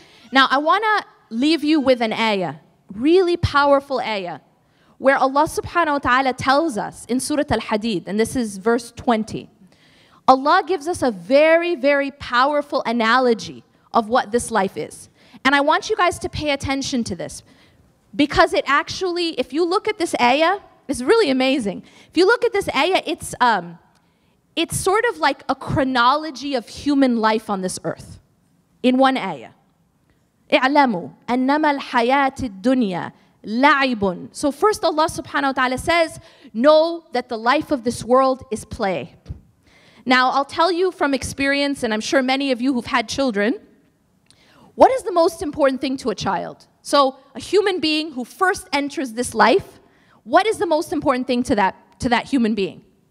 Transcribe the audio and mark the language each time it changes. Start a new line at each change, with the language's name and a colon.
English: Now I want to leave you with an ayah, really powerful ayah, where Allah subhanahu wa ta'ala tells us in Surah Al-Hadid, and this is verse 20, Allah gives us a very, very powerful analogy of what this life is. And I want you guys to pay attention to this, because it actually, if you look at this ayah, it's really amazing. If you look at this ayah, it's sort of like a chronology of human life on this earth in one ayah.
Arabic: اعلموا أنما الحياة الدنيا لعب.
English: So first Allah subhanahu wa ta'ala says, know that the life of this world is play. Now I'll tell you from experience, and I'm sure many of you who've had children, what is the most important thing to a child? So a human being who first enters this life, what is the most important thing to that human being?